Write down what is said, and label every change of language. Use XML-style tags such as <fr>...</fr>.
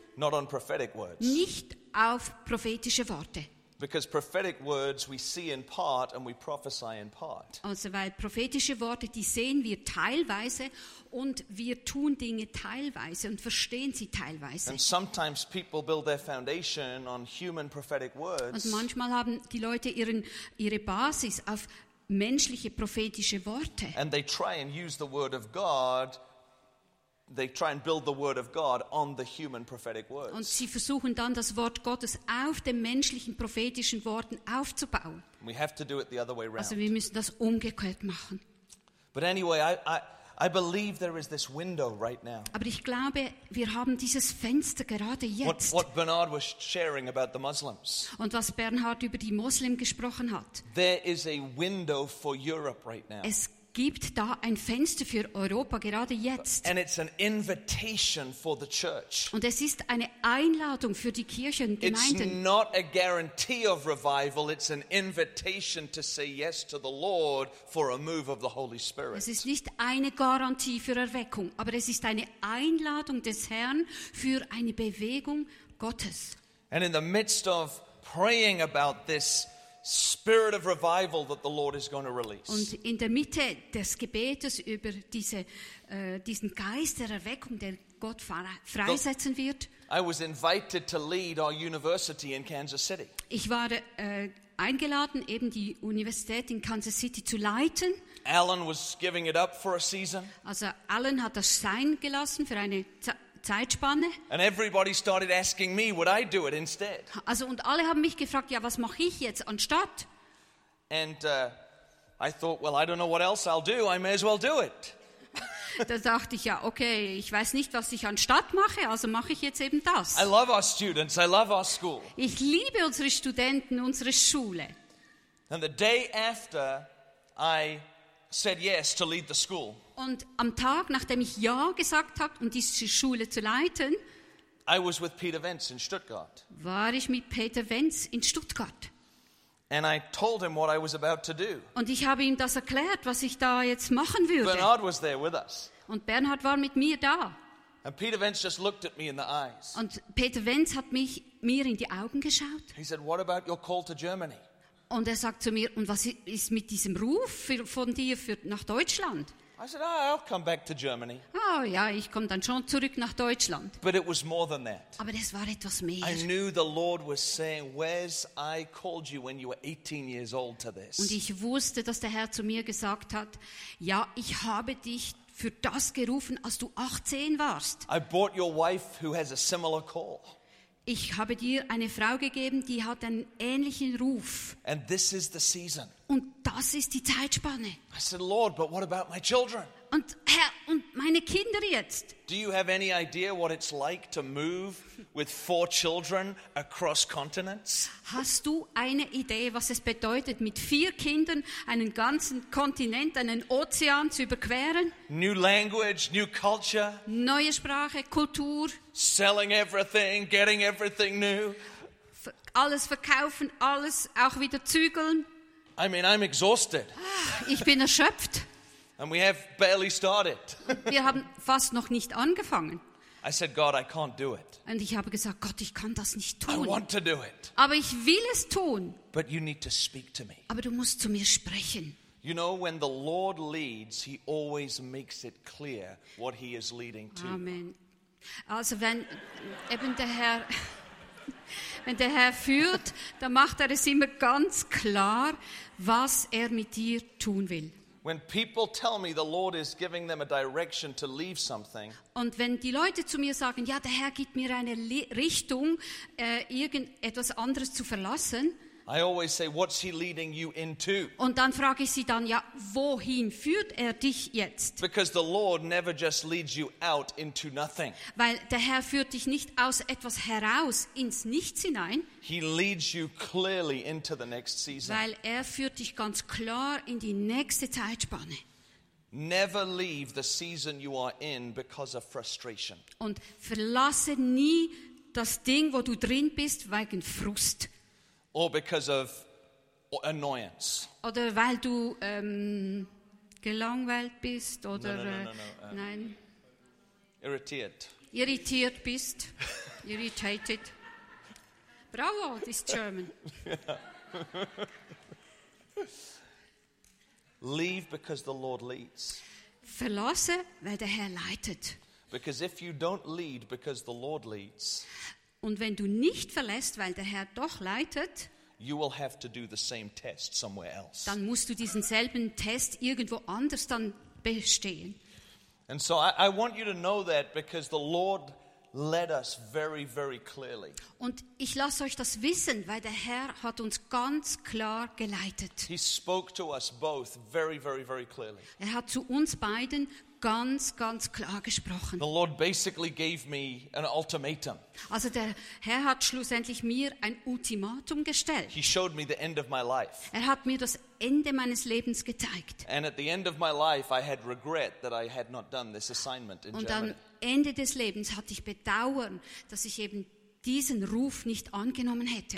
<en>Not on prophetic words.</en> <de>Nicht auf prophetische Worte.</de> <en>Because prophetic words we see in part and we prophesy in part.</en> <de>Also weil prophetische Worte, die sehen wir teilweise und wir tun Dinge teilweise und verstehen sie teilweise.</de> <en>And sometimes people build their foundation on human prophetic words.</en> <de>Und manchmal haben die Leute ihre Basis auf menschliche prophetische Worte.</de> <en>And they try and use the word of God. They try and build the word of God on the human prophetic words.</en> <de>Und sie versuchen dann das Wort Gottes auf den menschlichen prophetischen Worten aufzubauen.</de> <en>We have to do it the other way around.</en> <de>Also wir müssen das umgekehrt machen.</de> <en>But anyway, I believe there is this window right now.</en> <de>Aber ich glaube, wir haben dieses Fenster gerade jetzt.</de> <en>What Bernard was sharing about the Muslims.</en> <de>Und was Bernhard über die Muslim gesprochen hat.</de> <en>There is a window for Europe right now.</en> <de>Gibt da ein Fenster für Europa gerade jetzt.</de> <en>And it's an invitation for the church.</en> <de>Und es ist eine Einladung für die Kirchen, Gemeinden.</de> <en>It's not a guarantee of revival, it's an invitation to say yes to the Lord for a move of the Holy Spirit.</en> <de>Es ist nicht eine Garantie für Erweckung, aber es ist eine Einladung des Herrn für eine Bewegung Gottes.</de> <en>And in the midst of praying about this Spirit of revival that the Lord is going to release.</en> <de>Und in der Mitte des Gebetes über diesen Geist der Erweckung, den Gott freisetzen wird.</de> <en>I was invited to lead our university in Kansas City.</en> <de>Ich war eingeladen, eben die Universität in Kansas City zu leiten.</de> <en>Alan was giving it up for a season.</en> <de>Also Alan hat das sein gelassen für eine Zeitspanne.</de> <en>And everybody started asking me, would I do it instead?</en> <de>Also und alle haben mich gefragt, ja, was mache ich jetzt anstatt?</de> <en>And I thought, well, I don't know what else I'll do. I may as well do it.</en> <de>Da dachte ich ja, okay, ich weiß nicht, was ich anstatt mache, also mache ich jetzt eben das.</de> <en>I love our students. I love our school.</en> <de>Ich liebe unsere Studenten, unsere Schule.</de> <en>And the day after, I said yes to lead the school.</en> <de>Und am Tag, nachdem ich Ja gesagt habe, um diese Schule zu leiten,</de> <en>I was with Peter Wenz in Stuttgart.</en> <de>War ich mit Peter Wenz in Stuttgart.</de> <en>And I told him what I was about to do.</en> <de>Und ich habe ihm das erklärt, was ich da jetzt machen würde.</de> <en>Bernard was there with us.</en> <de>Und Bernhard war mit mir da.</de> <en>And Peter Wenz just looked at me in the eyes.</en> <de>Und Peter Wenz hat mir in die Augen geschaut.</de> <en>He said, what about your call to Germany?</en> <de>Und er sagt zu mir, und was ist mit diesem Ruf von dir für nach Deutschland?</de> <en>I said, oh, I'll come back to Germany.</en> <de>Oh ja, ich komme dann schon zurück nach Deutschland.</de> <en>But it was more than that.</en> <de>Aber es war etwas mehr.</de> <en>I knew the Lord was saying, Wes, I called you when you were 18 years old to this.</en> <de>Und ich wusste, dass der Herr zu mir gesagt hat, ja, ich habe dich für das gerufen, als du 18 warst.</de> <en>I bought your wife who has a similar call.</en> <de>Ich habe dir eine Frau gegeben, die hat einen ähnlichen Ruf.</de> <en>And this is the season.</en> <de>Und das ist die Zeitspanne.</de> <en>I said, Lord, but what about my children?</en> <de>Und Herr, und meine Kinder jetzt?</de> <en>Do you have any idea what it's like to move with four children across continents?</en> <de>Hast du eine Idee, was es bedeutet, mit vier Kindern einen ganzen Kontinent, einen Ozean zu überqueren?</de> <en>New language, new culture.</en> <de>Neue Sprache, Kultur.</de> <en>Selling everything, getting everything new.</en> <de>Alles verkaufen, alles auch wieder zügeln.</de> <en>I mean, I'm exhausted.</en> <de>Ich bin erschöpft.</de> <en>And we have barely started.</en> <de>Wir haben fast noch nicht angefangen.</de> <en>I said, God, I can't do it.</en> <de>Und ich habe gesagt, Gott, ich kann das nicht tun.</de> <en>I want to do it.</en> <de>Aber ich will es tun.</de> <en>But you need to speak to me.</en> <de>Aber du musst zu mir sprechen.</de> <en>You know, when the Lord leads, he always makes it clear what he is leading to. Amen.</en> <de>Also wenn eben der Herr, wenn der Herr führt, dann macht er es immer ganz klar, was er mit dir tun will.</de> <en>When people tell me the Lord is giving them a direction to leave something.</en> <de>Und wenn die Leute zu mir sagen, ja, der Herr gibt mir eine Richtung, irgendetwas anderes zu verlassen.</de> <en>I always say, what's he leading you into?</en> <de>Und dann frage ich sie dann, ja, wohin führt er dich jetzt?</de> <en>Because the Lord never just leads you out into nothing.</en> <de>Weil der Herr führt dich nicht aus etwas heraus ins Nichts hinein.</de> <en>He leads you clearly into the next season.</en> <de>Weil er führt dich ganz klar in die nächste Zeitspanne.</de> <en>Never leave the season you are in because of frustration.</en> <de>Und verlasse nie das Ding, wo du drin bist, wegen Frust.</de> <en>Or because of annoyance.</en> <de>Oder weil du gelangweilt bist oder irritiert. Irritiert bist.</de> <en>Irritated. Bravo, this German. Leave because the Lord leads.</en> <de>Verlasse, weil der Herr leitet.</de> <en>Because if you don't lead because the Lord leads.</en> <de>Und wenn du nicht verlässt, weil der Herr doch leitet.</de> <en>You will have to do the same test somewhere else.</en> <de>Dann musst du diesen selben Test irgendwo anders dann bestehen.</de> <en>And so I want you to know that because the Lord led us very, very clearly.</en> <de>Und ich lasse euch das wissen, weil der Herr hat uns ganz klar geleitet.</de> <en>He spoke to us both very, very, very clearly.</en> <de>Er hat zu uns beiden ganz, ganz klar gesprochen.</de> <en>The Lord basically gave me an ultimatum.</en> <de>Also der Herr hat schlussendlich mir ein Ultimatum gestellt.</de> <en>He showed me the end of my life.</en> <de>Er hat mir das Ende meines Lebens gezeigt.</de> <en>And at the end of my life, I had regret that I had not done this assignment in</en> <de>Und</de> <en>Germany.</en> <de>Am Ende des Lebens hatte ich Bedauern, dass ich eben diesen Ruf nicht angenommen hätte.</de>